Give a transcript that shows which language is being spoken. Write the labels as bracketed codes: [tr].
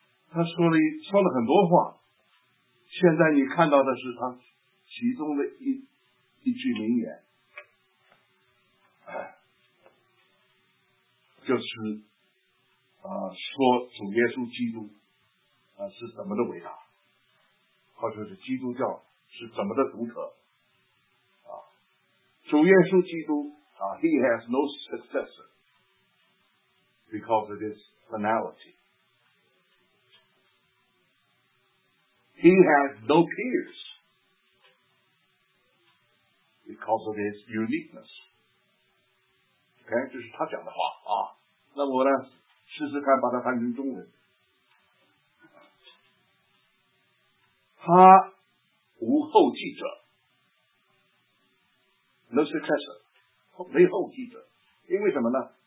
[zh] 他说了很多话，现在你看到的是他其中的一句名言，就是说主耶稣基督是怎么的伟大，或者是基督教是怎么的独特啊。主耶稣基督啊 [en] ，He has no successor because of his finality。 He has no peers because of his uniqueness. [zh] OK， 这是他讲的话啊。那我呢，试试看把它翻成中文。他无后继者 ， [en] no successor， [zh] 没后继者。因为什么呢？